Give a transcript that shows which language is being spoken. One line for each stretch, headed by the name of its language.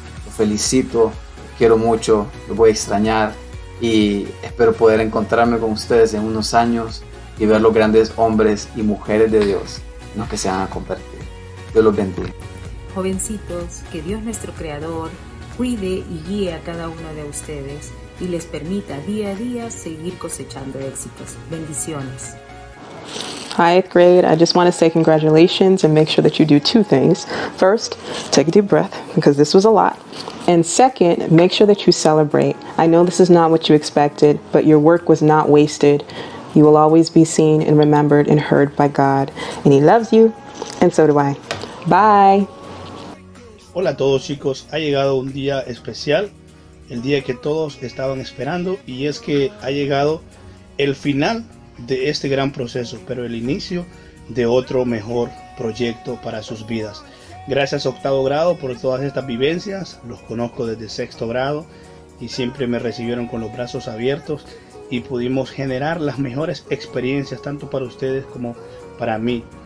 Spanish: Los felicito, los quiero mucho, los voy a extrañar y espero poder encontrarme con ustedes en unos años y ver los grandes hombres y mujeres de Dios en los que se van a convertir. Dios los bendiga. Jovencitos, que Dios nuestro Creador cuide y guíe a cada uno de ustedes y les permita día a día seguir cosechando éxitos. Bendiciones.
English: Hi, eighth grade. I just want to say congratulations and make sure that you do two things. First, take a deep breath because this was a lot. And second, make sure that you celebrate. I know this is not what you expected, but your work was not wasted. You will always be seen and remembered and heard by God. And He loves you, and so do I. Bye.
Spanish: Hola a todos, chicos. Ha llegado un día especial, el día que todos estaban esperando, y es que ha llegado el final de este gran proceso, pero el inicio de otro mejor proyecto para sus vidas. Gracias octavo grado por todas estas vivencias, los conozco desde sexto grado y siempre me recibieron con los brazos abiertos y pudimos generar las mejores experiencias tanto para ustedes como para mí.